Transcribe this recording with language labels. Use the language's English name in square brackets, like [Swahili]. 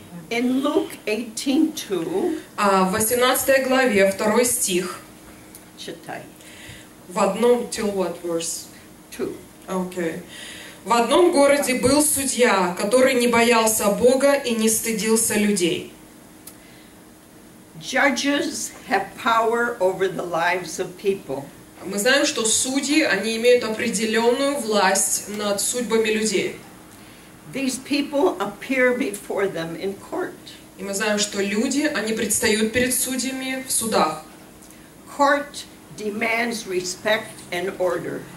[English] In Luke 18:2. [Russian] В 18 главе, 2 стих. Читай. В одном, [English] till what verse? Two. Okay. [Russian] В одном городе был судья, который не боялся Бога и не стыдился людей. [English] Judges have power over the lives of people. [Russian] Мы знаем, что судьи, они имеют определенную власть над судьбами людей. [English] These people appear before them in court. [Russian] И мы знаем, что люди, они предстают перед судьями в судах. [English] Court demands respect and order.